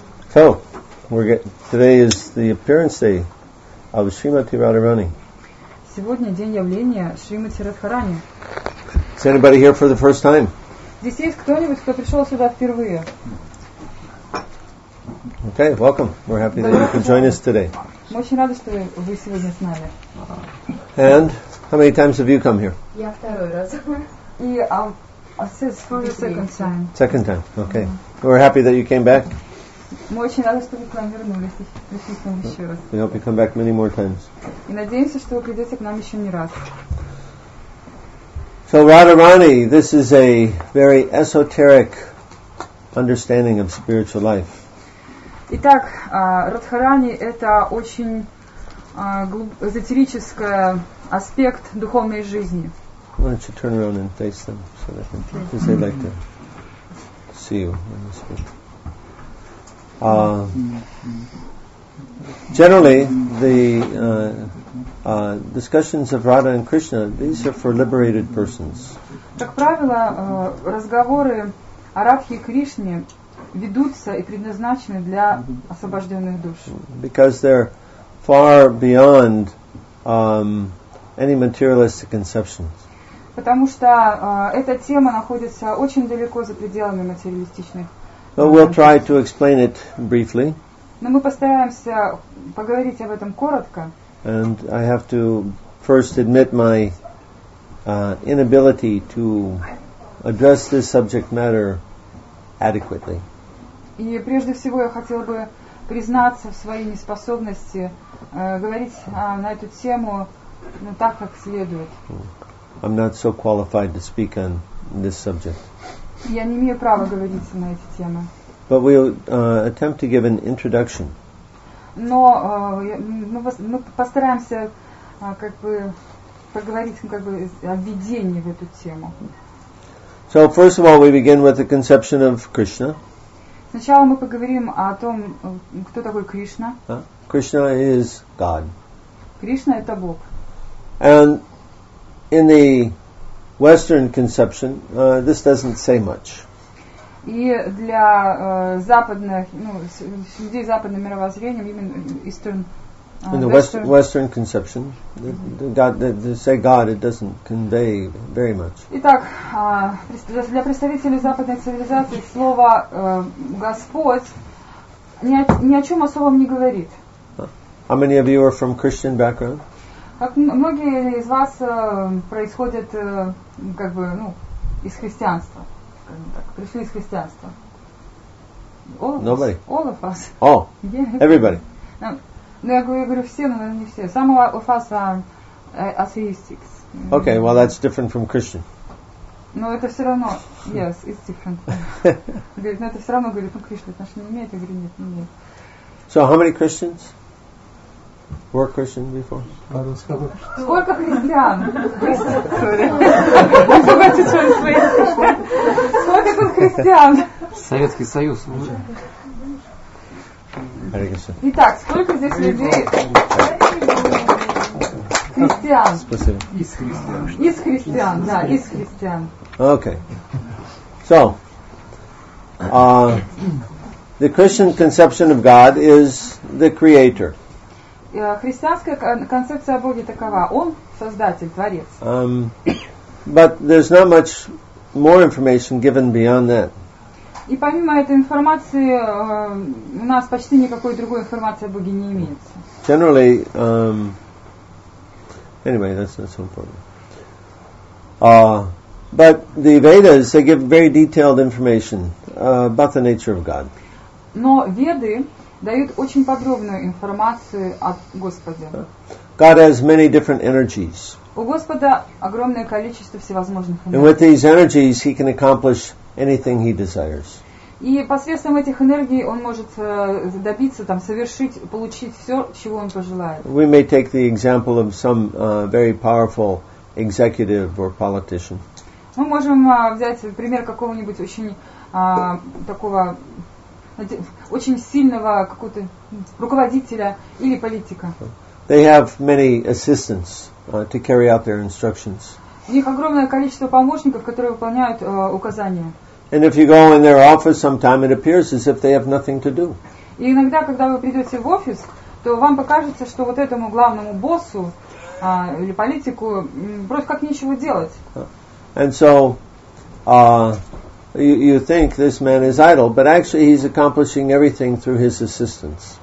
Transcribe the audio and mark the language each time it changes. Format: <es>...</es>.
<en>So, today is the appearance day of Srimati Radharani.</en> <ru>Сегодня день явления Шримати Радхарани.</ru> <en>Is anybody here for the first time?</en> <ru>Здесь есть кто-нибудь, кто пришел сюда впервые?</ru> <en>Okay, welcome. We're happy that you could join us today.</en> <ru>Мы очень рады, что вы сегодня с нами.</ru> <en>And how many times have you come here?</en> <ru>Я второй раз. И</ru> <en>this is for the second time. Second time. Okay. Mm-hmm. We're happy that you came back.</en> <ru>Мы очень рады, что вы к нам вернулись и пришли к нам еще раз.</ru> <en>We hope you come back many more times.</en> <ru>И надеемся, что вы придете к нам еще не раз.</ru> <en>So Radharani, this is a very esoteric understanding of spiritual life.</en> <ru>Итак, Радхарани это очень эзотерический аспект духовной жизни.</ru> <en>Why don't you turn around and face them so they can, because they'd like to see you when you speak. Generally, the discussions of Radha and Krishna, these are for liberated persons.</en> <ru>Как правило, разговоры о Радхе и Кришне ведутся и предназначены для освобожденных душ.</ru> <en>Because they're far beyond any materialistic conceptions.</en> <ru>Потому что эта тема находится очень далеко за пределами материалистичных.</ru> <en>But we'll try to explain it briefly.</en> <ru>Но мы постараемся поговорить об этом коротко.</ru> <en>And I have to first admit my inability to address this subject matter adequately.</en> <ru>И прежде всего я хотел бы признаться в своей неспособности говорить на эту тему так, как следует.</ru> <en>I'm not so qualified to speak on this subject.</en> <ru>Я не имею права говорить на эти темы.</ru> <en>But we'll attempt to give an introduction.</en> <ru>Но мы постараемся как бы поговорить как бы о введении в эту тему.</ru> <en>So first of all, we begin with the conception of Krishna.</en> <ru>Сначала мы поговорим о том, кто такой Кришна.</ru> <en>Krishna is God.</en> <ru>Кришна это Бог.</ru> <en>And in the Western conception, this doesn't say much.</en> <ru>И для западных, ну, людей с западным мировоззрением, именно Eastern,</ru> <en>in the Western conception, they say God, it doesn't convey very much.</en> <ru>Итак, для представителей западной цивилизации слово Господь ни о чем особом не говорит.</ru> <en>How many of you are from Christian background?</en> <ru>Как многие из вас происходят как бы, ну, из христианства, скажем так, пришли из христианства.</ru> <en>Nobody. All of us. Oh, everybody.</en> <ru>Ну, я говорю все, но не все.</ru> <en>Some of us are atheists. Okay, well, that's different from Christian.</en> <ru>Но это все равно,</ru> <en>yes, it's different.</en> <ru>Говорит, но это все равно, говорит, ну, Кришна, это же не имеет, я говорю, нет, не имеет.</ru> <en>So, how many Christians? Were Christian before?</en> <ru>Сколько христиан? Сколько тут христиан? Советский Союз. Итак, сколько здесь людей? Христиан. Спасибо. Из христиан. Да, из христиан.</ru> <en>Okay. So, the Christian conception of God is the Creator.</en> <ru>Христианская концепция о Боге такова. Он создатель, творец.</ru> <en>But there's not much more information given beyond that.</en> <ru>И помимо этой информации, у нас почти никакой другой информации о Боге не имеется.</ru> <en>Generally, anyway, that's not so important. But the Vedas, they give very detailed information about the nature of God.</en> <ru>Но Веды дают очень подробную информацию о Господе.</ru> <en>God has many different energies.</en> <ru>У Господа огромное количество всевозможных энергий.</ru> <en>And with these energies, he can accomplish anything he desires.</en> <ru>И посредством этих энергий он может добиться, там, совершить, получить все, чего он пожелает.</ru> <en>We may take the example of some very powerful executive or politician.</en> <ru>Мы можем взять пример какого-нибудь очень такого очень сильного какого-то руководителя или политика.</ru> <en>They have many assistants to carry out their instructions.</en> <ru>У них огромное количество помощников, которые выполняют указания.</ru> <en>And if you go in their office sometime, it appears as if they have nothing to do.</en> <ru>И иногда, когда вы придете в офис, то вам покажется, что вот этому главному боссу или политику просто как нечего делать.</ru> <en>And so you think this man is idle, but actually he's accomplishing everything through his assistants.</en>